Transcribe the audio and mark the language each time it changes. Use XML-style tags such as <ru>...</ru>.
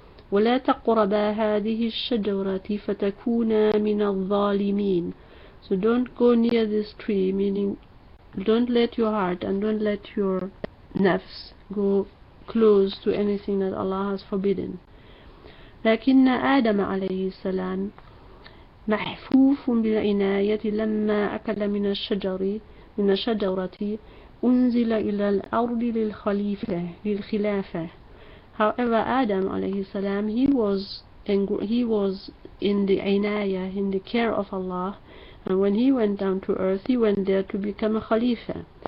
<ar>وَلَا تَقْرَبَا هَذِهِ الشَّجَرَةِ فَتَكُونَا مِنَ الظَّالِمِينَ.</ar> <en>So don't go near this tree, meaning don't let your heart and don't let your nafs go close to anything that Allah has forbidden.</en> <ar>لكن آدم عليه السلام محفوف بالعناية لما أكل من الشجر من الشجرة أنزل إلى الأرض للخليفة للخلافة.</ar> <en>However, Adam عليه السلام he was in the عناية, in the care of Allah, and when he went down to earth, he went there to become a Khalifa.</en>